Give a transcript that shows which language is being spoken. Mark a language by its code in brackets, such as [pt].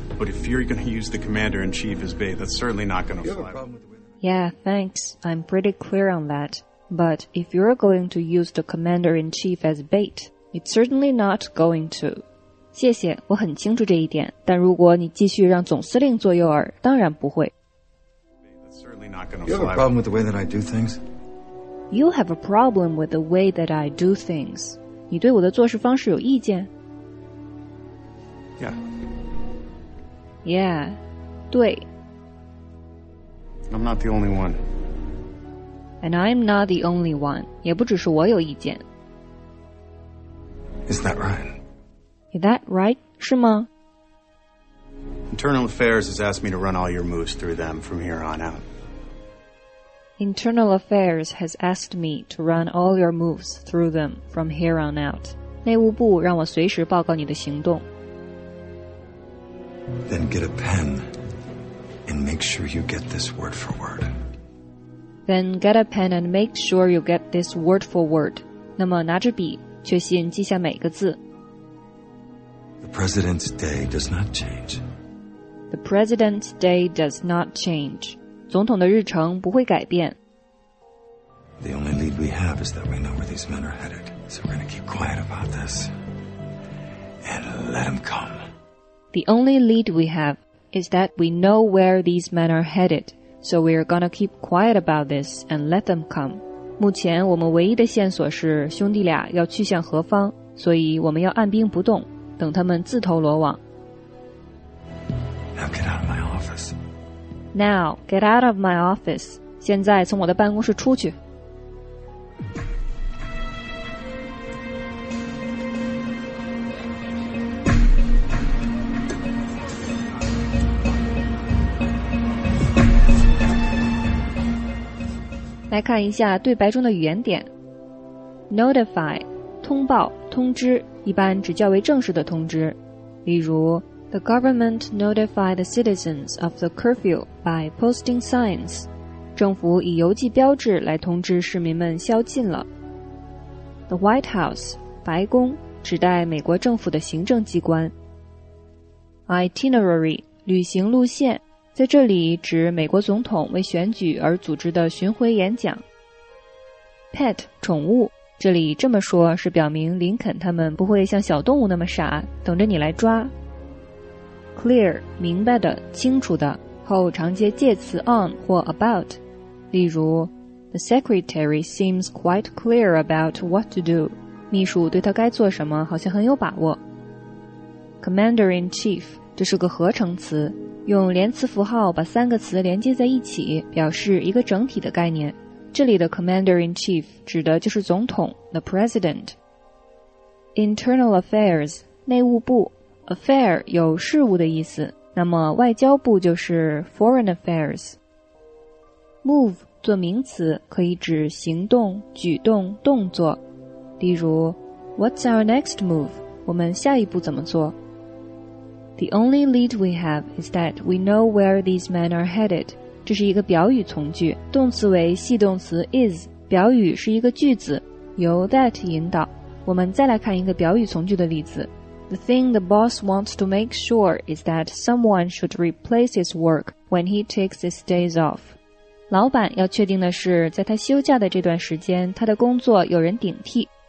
[en] But if you're going to use the commander-in-chief as bait, that's certainly not going to fly. Yeah, thanks. I'm pretty clear on that. But if you're going to use the commander-in-chief as bait, it's certainly not going to. [zh] 谢谢，我很清楚这一点，但如果你继续让总司令做诱饵，当然不会。 [en] You have a problem with the way that I do things? You have a problem with the way that I do things. [zh] 你对我的做事方式有意见？ [en] Yeah. [zh] Yeah, 对。 [en] I'm not the only one. And I'm not the only one. [zh] 也不只是我有意见。 [en] Is that right? Is that right? [zh] 是吗？ [en] Internal Affairs has asked me to run all your moves through them from here on out. Internal Affairs has asked me to run all your moves through them from here on out. [zh] 内务部让我随时报告你的行动。 [en] Then get a pen and make sure you get this word for word. Then get a pen and make sure you get this word for word. [zh] 那么拿着笔，确信记下每个字。 [en] President's Day does not change. The President's Day does not change. [zh] 总统的日程不会改变。 [en] The only lead we have is that we know where these men are headed. So we're going to keep quiet about this. And let them come. The only lead we have is that we know where these men are headed. So we're going to keep quiet about this and let them come. [zh] 目前我们唯一的线索是兄弟俩要去向何方，所以我们要按兵不动。等他们自投罗网。 [en] Now get out of my office. Now, get out of my office. [zh] 现在从我的办公室出去。来看一下对白中的语言点。 Notify, 通报、通知，一般指较为正式的通知。 [en] 例如The government notified the citizens of the curfew by posting signs. [zh] 政府以邮寄标志来通知市民们宵禁了。 The White House, 白宫，指代美国政府的行政机关。 Itinerary, 旅行路线，在这里指美国总统为选举而组织的巡回演讲。 Pet, 宠物，这里这么说是表明林肯他们不会像小动物那么傻，等着你来抓。 Clear, 明白的、清楚的，后常接介词 on 或 about。 [en] 例如 The secretary seems quite clear about what to do. [zh] 秘书对他该做什么好像很有把握。 Commander-in-chief, 这是个合成词，用连词符号把三个词连接在一起，表示一个整体的概念。这里的 commander-in-chief 指的就是总统 the president。 Internal affairs, 内务部。Affair 有事务的意思，那么外交部就是 Foreign Affairs。 Move 做名词，可以指行动、举动、动作。例如 [en] What's our next move? [zh] 我们下一步怎么做？ [en] The only lead we have is that we know where these men are headed. [zh] 这是一个表语从句，动词为系动词 is， 表语是一个句子，由 that 引导。我们再来看一个表语从句的例子。 [en] The thing the boss wants to make sure is that someone should replace his work when he takes his days off. [zh] 老板要确定的是在他休假的这段时间他的工作有人顶替。